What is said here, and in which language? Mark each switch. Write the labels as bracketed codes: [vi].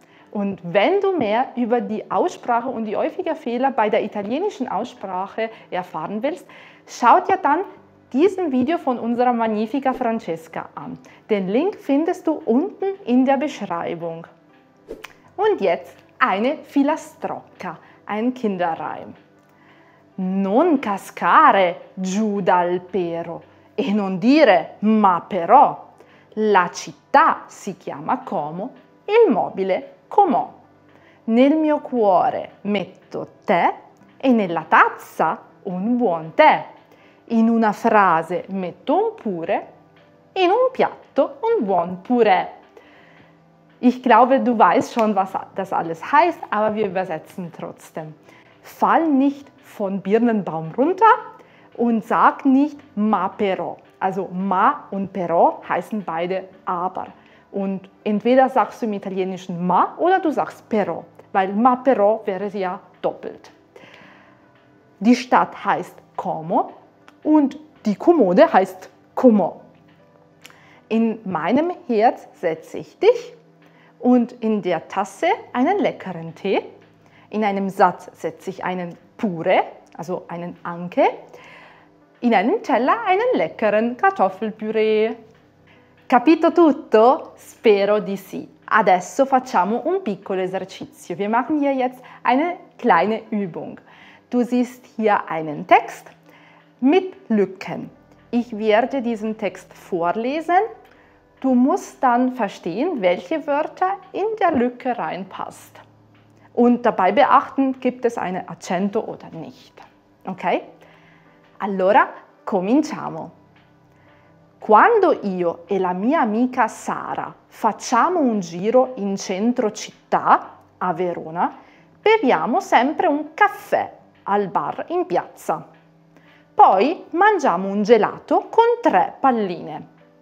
[de] Und wenn du mehr über die Aussprache und die häufigen Fehler bei der italienischen Aussprache erfahren willst, schau dir dann diesen Video von unserer Magnifica Francesca an. Den Link findest du unten in der Beschreibung. Und jetzt eine Filastrocca, ein Kinderreim. [it] Non cascare giù dal pero e non dire ma però. La città si chiama Como, il mobile com'ho. Nel mio cuore metto te e nella tazza un buon tè. In una frase metto un pure, in un piatto un buon purè. [de] Ich glaube, du weißt schon, was das alles heißt, aber wir übersetzen trotzdem. Fall nicht von Birnenbaum runter und sag nicht ma però. Also ma und però heißen beide aber. Und entweder sagst du im Italienischen ma oder du sagst però, weil ma però wäre ja doppelt. Die Stadt heißt Como und die Kommode heißt Como. In meinem Herz setze ich dich und in der Tasse einen leckeren Tee. In einem Satz setze ich einen pure, also einen Anke. In einem Teller einen leckeren Kartoffelpüree. [it] Capito tutto? Spero di sì. Adesso facciamo un piccolo esercizio. [de] Wir machen hier jetzt eine kleine Übung. Du siehst hier einen Text mit Lücken. Ich werde diesen Text vorlesen. Du musst dann verstehen, welche Wörter in der Lücke reinpasst. Und dabei beachten, gibt es eine Accento oder nicht. [it] Okay? Allora, cominciamo. Quando io e la mia amica Sara facciamo un giro in centro città, a Verona, beviamo sempre un caffè al bar in piazza. Poi mangiamo un gelato con tre palline.